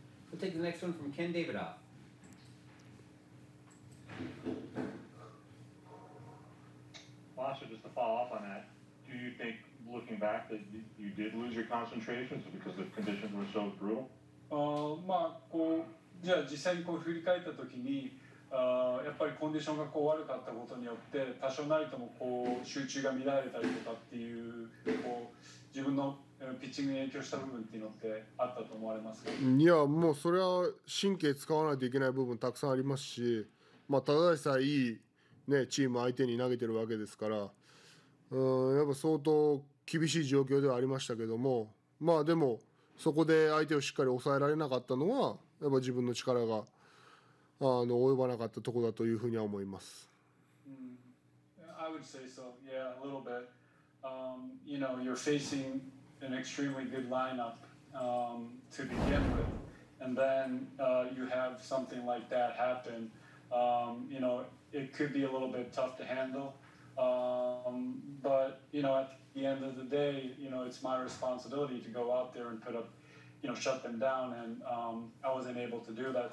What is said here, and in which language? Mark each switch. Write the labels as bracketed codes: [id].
[en] We'll take the next one from Ken Davidoff. Lasha, just to follow up on that, do you think, looking back, that you did lose your concentration because the conditions were so brutal? [ja] まあ、こう、じゃあ実際にこう振り返ったときに、やっぱりコンディションがこう悪かったことによって、多少なりともこう集中が乱れたりとかっていう、こう自分のピッチングに影響した部分っていうのってあったと思われますか？いや、もうそれは神経使わないといけない部分たくさんありますし、まあ、ただでさえいい、ね、チーム相手に投げてるわけですから、やっぱ相当厳しい状況ではありましたけども、まあでもそこで相手をしっかり抑えられなかったのはやっぱ自分の力が及ばなかったところだというふうには思います。 [en] I would say so, yeah, a little bit. You know, you're facing an extremely good lineup to begin with, and then you have something like that happen. You know, it could be a little bit tough to handle. But you know, at the end of the day, you know, it's my responsibility to go out there and put up, you know, shut them down, and I wasn't able to do that.